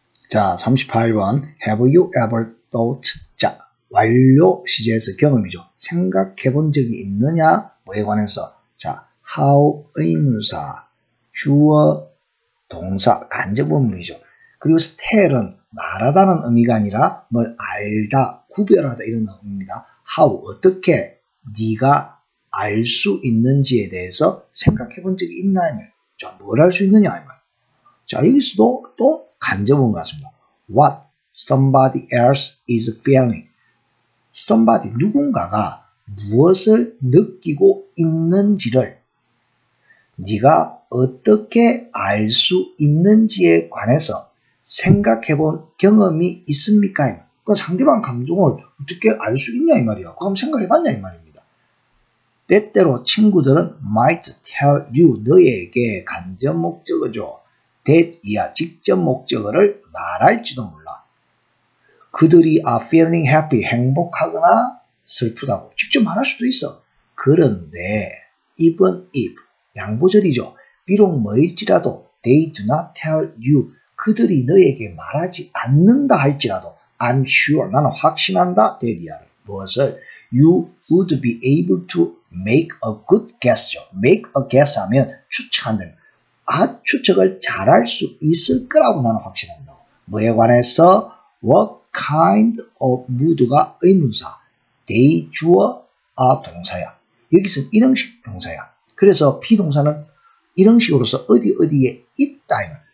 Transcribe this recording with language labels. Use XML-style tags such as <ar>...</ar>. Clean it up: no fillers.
<ko>자, 38번</ko> <en>Have you ever thought?</en> <ko>자, 완료 시제에서 경험이죠. 생각해 본 적이 있느냐? 뭐에 관해서? 자, How 의문사, 주어, 동사, 간접어문이죠. 그리고 스텔은 말하다는 의미가 아니라 뭘 알다, 구별하다 이런 의미입니다. How, 어떻게 네가 알 수 있는지에 대해서 생각해 본 적이 있나요? 자, 뭘 알 수 있느냐? 자, 여기서도 또 간접은 것 같습니다.</ko> <en>What somebody else is feeling.</en> <ko>Somebody, 누군가가 무엇을 느끼고 있는지를 네가 어떻게 알 수 있는지에 관해서 생각해본 경험이 있습니까? 그 상대방 감정을 어떻게 알 수 있냐 이 말이야. 그럼 생각해봤냐 이 말입니다. 때때로 친구들은</ko> <en>might tell you</en> <ko>너에게 간접 목적어죠. that 이하 직접 목적어를 말할지도 몰라. 그들이</ko> <en>are feeling happy</en> <ko>행복하거나 슬프다고 직접 말할 수도 있어. 그런데 even if 양보절이죠. 비록 뭐일지라도</ko> <en>they do not tell you</en> <ko>그들이 너에게 말하지 않는다 할지라도</ko> <en>I'm sure</en> <ko>나는 확신한다</ko> <en>대리아를 무엇을 You would be able to make a good guess죠.</en> <ko>Make a guess 하면 추측한다. 아 추측을 잘할 수 있을 거라고 나는 확신한다. 뭐에 관해서 What kind of mood가 의문사 they 주어 아 동사야. 여기서는 일형식 동사야. 그래서 비동사는 일형식으로서 어디 어디에 있다.</ko>